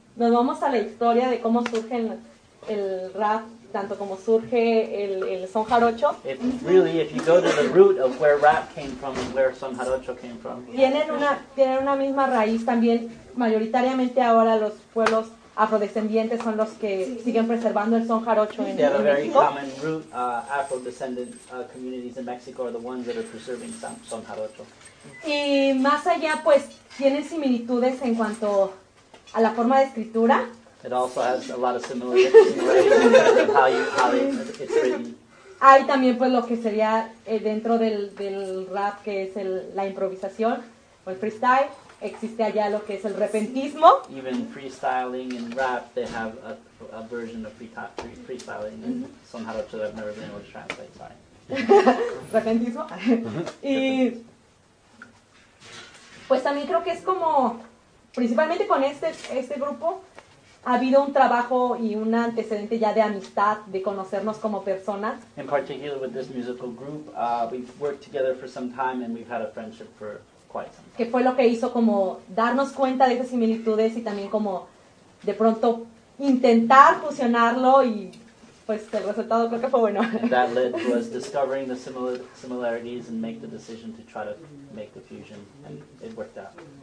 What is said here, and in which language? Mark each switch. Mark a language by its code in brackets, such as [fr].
[es] Nos vamos a la historia de cómo surge el rap, tanto como surge el son jarocho. [en] If really, if you go to the root of where rap came from and where son jarocho came from. [es] Tienen una misma raíz también. Mayoritariamente ahora los pueblos afrodescendientes son los que siguen preservando el son jarocho en México. [en] They have a very common root, afrodescendant communities in Mexico are the ones that are preserving son jarocho. [es] Y más allá, pues, tienen similitudes en cuanto a la forma de escritura. [en] It also has a lot of similarities in how it's written. [es] Hay también pues lo que sería dentro del rap, que es la improvisación o el freestyle. Existe allá lo que es el repentismo. [en] Even freestyling and rap, they have a version of freestyling and son jarocho that I've never been able to translate, sorry. [es] Repentismo. Y pues también creo que es como principalmente con este grupo ha habido un trabajo y un antecedente ya de amistad, de conocernos como personas. [en] In particular with this musical group, we've worked together for some time and we've had a friendship for quite some time. [es] Que fue lo que hizo como darnos cuenta de esas similitudes y también como de pronto intentar fusionarlo y pues el resultado creo que fue bueno. [en] And that led to us discovering the similarities and make the decision to try to make the fusion, and it worked out.